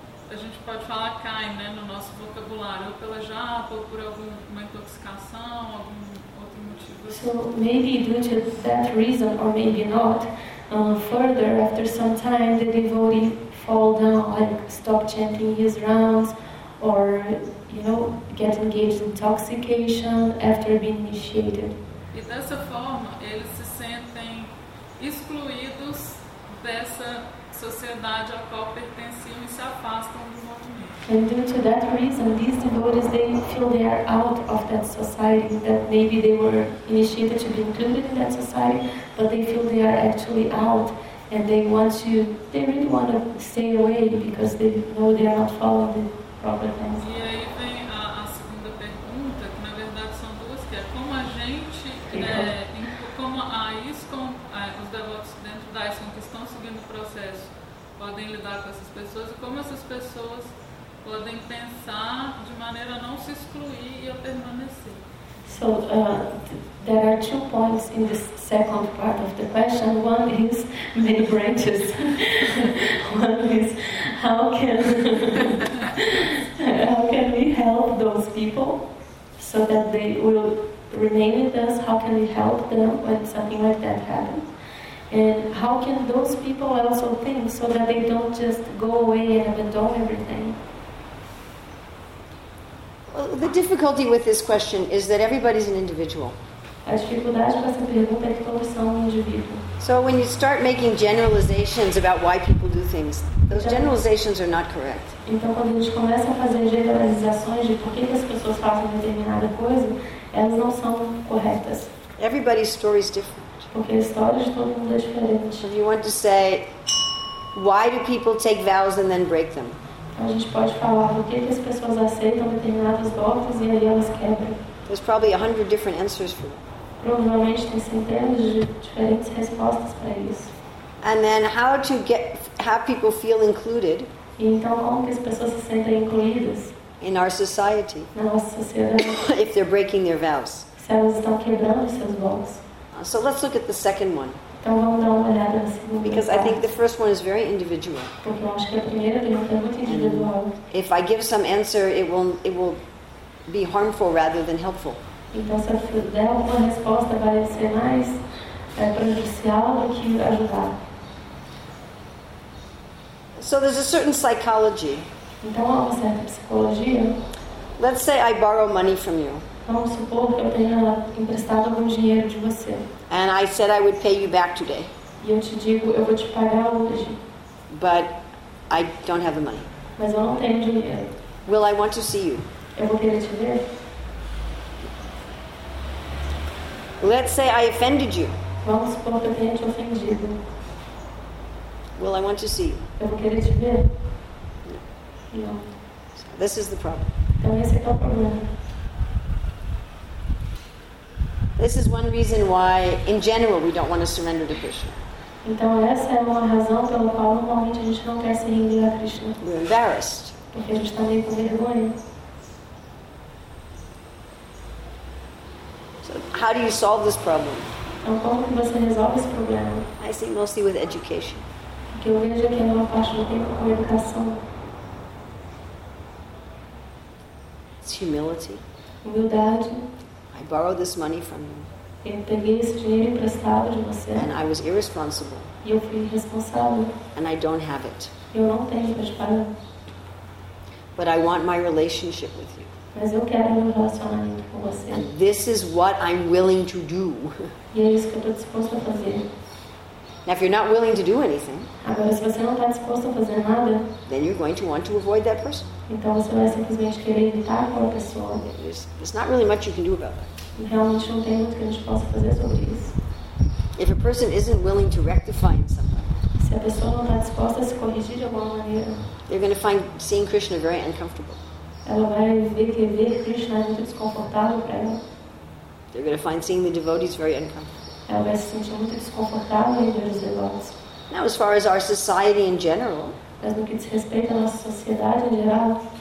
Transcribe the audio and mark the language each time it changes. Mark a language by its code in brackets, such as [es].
[pt] a gente pode falar cai, né, no nosso vocabulário, ou pela japa, ou por alguma intoxicação, algum outro motivo. [en] So maybe due to that reason, or maybe not, further, after some time, the devotee fall down, like stop chanting his rounds, or, you know, get engaged in intoxication after being initiated. [pt] E dessa forma, eles se sentem excluídos dessa sociedade a qual pertenciam e se afastam do movimento. [en] And due to that reason, these devotees, they feel they are out of that society, that maybe they were initiated to be included in that society, but they feel they are actually out, and they really want to stay away because they know they are not following the proper things. [pt] E aí vem a segunda pergunta, que na verdade são duas, que é como a gente, como a ISKCON, os devotos dentro da ISKCON que estão seguindo o processo, podem lidar com essas pessoas, e como essas pessoas podem pensar de maneira a não se excluir e a permanecer. [en] So, there are two points in the second part of the question. One is many branches. One is how can we help those people so that they will remain with us? How can we help them when something like that happens? And how can those people also think so that they don't just go away and abandon everything? Well, the difficulty with this question is that everybody's an individual. [pt] A dificuldade com essa pergunta é que todos são um indivíduo. [en] So when you start making generalizations about why people do things, those generalizations are not correct. [pt] Então quando a gente começa a fazer generalizações de por que as pessoas fazem determinada coisa, elas não são corretas. [en] Everybody's story is different. [pt] Porque a história de todo mundo é diferente. [en] If you want to say, why do people take vows and then break them? [pt] A gente pode falar por que as pessoas aceitam determinados votos e aí elas quebram. [en] There's probably 100 different answers for that. [pt] Provavelmente tem centenas de diferentes respostas para isso. [en] And then how to get have people feel included? [pt] E então como que as pessoas se sentem incluídas? [en] In our society. [pt] Na nossa sociedade. [en] If they're breaking their vows. [pt] Se elas estão quebrando seus votos. [en] So let's look at the second one. [pt] Então vamos dar uma olhada na segunda. [en] Because I think the first one is very individual. [pt] Porque eu acho que a primeira pergunta é muito individual. [en] If I give some answer, it will be harmful rather than helpful. [pt] Então se eu der alguma resposta vai ser mais prejudicial do que ajudar. [en] So there's a certain psychology. [pt] Então há uma certa psicologia. [en] Let's say I borrow money from you. [pt] Vamos supor que eu tenha emprestado algum dinheiro de você. [en] And I said I would pay you back today. [pt] E eu te digo, eu vou te pagar hoje. [en] But I don't have the money. [pt] Mas eu não tenho dinheiro. [en] Will I want to see you? [pt] Eu vou querer te ver. [en] Let's say I offended you. [pt] Vamos supor que eu tenha te ofendido. [en] Will I want to see you? [pt] Eu vou querer te ver. [en] No. This is the problem. [pt] Então esse é o problema. [en] This is one reason why, in general, we don't want to surrender to Krishna. [pt] Então essa é uma razão pela qual normalmente a gente não quer se render a Krishna. [en] We're embarrassed. [pt] Porque a gente está meio com vergonha. [en] So how do you solve this problem? [pt] Então como que você resolve esse problema? [en] I see mostly with education. [pt] Porque eu vejo que a maior parte do tempo com educação. [en] It's humility. [pt] Humildade. [en] I borrowed this money from you. [pt] Eu peguei esse dinheiro emprestado de você. [en] And I was irresponsible. [pt] E eu fui irresponsável. [en] And I don't have it. [pt] Eu não tenho para te pagar. [en] But I want my relationship with you. [pt] Mas eu quero um relacionamento com você. [en] And this is what I'm willing to do. [pt] E é isso que eu estou disposto a fazer. [en] Now, if you're not willing to do anything, [pt] agora, se você não está disposto a fazer nada, [en] then you're going to want to avoid that person. [pt] Então você vai simplesmente querer evitar aquela pessoa. [en] There's not really much you can do about that. [pt] Realmente não tem muito que a gente possa fazer sobre isso. [en] If a person isn't willing to rectify in some way, [pt] se a pessoa não está disposta a se corrigir de alguma maneira, [en] they're going to find seeing Krishna very uncomfortable. [pt] Ela vai ver que ver Krishna é muito desconfortável para ela. [en] They're going to find seeing the devotees very uncomfortable. [pt] Ela vai se sentir muito desconfortável em ver os devotos. [en] Now, as far as our society in general, [pt] mas no que diz respeito à nossa sociedade em geral,